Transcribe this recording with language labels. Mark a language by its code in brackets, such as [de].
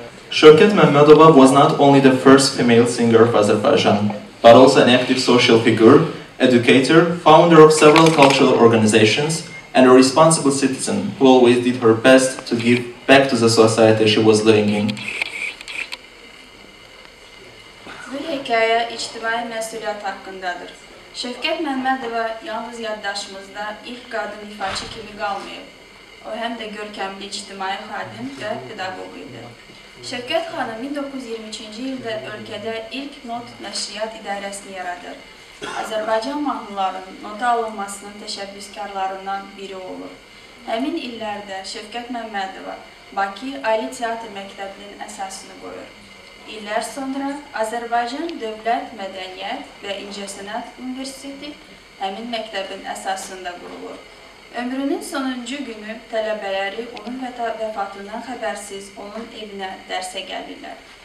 [en] Shavkat Mamedova was not only the first female singer of Azerbaijan, but also an active social figure, educator, founder of several cultural organizations, and a responsible citizen who always did her best to give back to the society she was living in. [az] Bu hikaye ictimai mesuliyet hakkındadır. Shavkat Mamedova yalnız yaddaşımızda ilk kadın ifaçı kimi kalmayıp, o hem de görkemli ictimai kadın ve pedagoguydu. Şevket Hanım 1923 yılında ülkede ilk not neşriyat idaresini yaradır. Azerbaycan mahnılarının nota alınmasının teşebbüskarlarından biri olur. Həmin illerde Şevket Məmmədova Bakı Ali Teatr Məktəbinin əsasını qoyur. İllər sonra Azerbaycan Dövlət Mədəniyyət və İncəsənət Universiteti həmin məktəbin əsasında qurulur. Ömrünün sonuncu günü tələbələri onun vəfatından xəbərsiz onun evinə dərsə gəlirlər.